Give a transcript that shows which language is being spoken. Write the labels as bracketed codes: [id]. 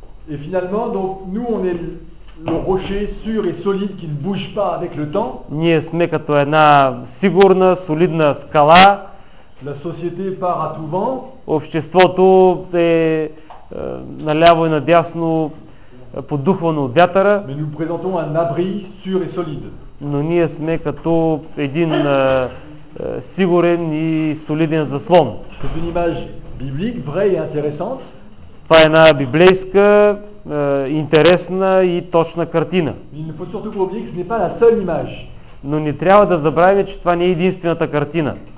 [fr] Et finalement, donc nous on est le rocher sûr et solide qui ne bouge pas avec le temps. [bg] Ние сме като една сигурна, солидна скала, [fr] La société part à tout vent. [bg] Обществото е наляво и надясно поддухвано от вятъра. [fr] Mais nous présentons un abri sûr et solide. [bg] Но ние сме като един сигурен и солиден заслон. [fr] C'est une image biblique, vraie et intéressante. [bg] Това е една библейска интересна и точна картина. [fr] Il ne faut surtout pas oublier que ce n'est pas la seule image. [bg] Но не трябва да забравяме, че това не е единствената картина.